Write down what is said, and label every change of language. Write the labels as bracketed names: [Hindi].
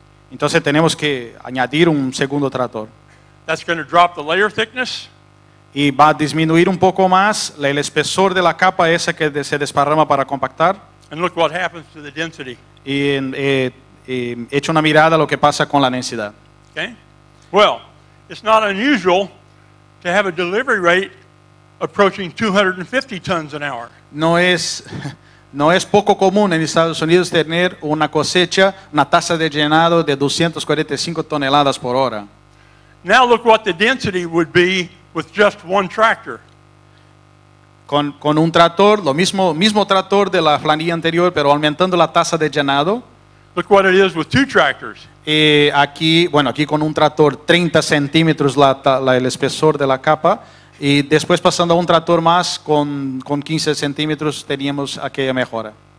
[Spanish] Entonces tenemos que añadir un segundo tractor. [English] That's going to drop the layer thickness. [Spanish] Y va a disminuir un poco más el espesor de la capa esa que se desparrama para compactar. [English] And look what happens to the density. [Spanish] Y echa una mirada a lo que pasa con la densidad. [English] Okay. Well, it's not unusual to have a delivery rate approaching 250 tons an hour. [Spanish] No es poco común en Estados Unidos tener una cosecha, una tasa de llenado de 245 toneladas por hora. [English] Now look what the density would be with just one tractor. [Spanish] Con un tractor, lo mismo tractor de la planilla anterior, pero aumentando la tasa de llenado. [English] Look what it is with two tractors. [Spanish] Aquí con un tractor 30 centímetros el espesor de la capa, y después pasando a un tractor más con 15 centímetros teníamos aquella mejora.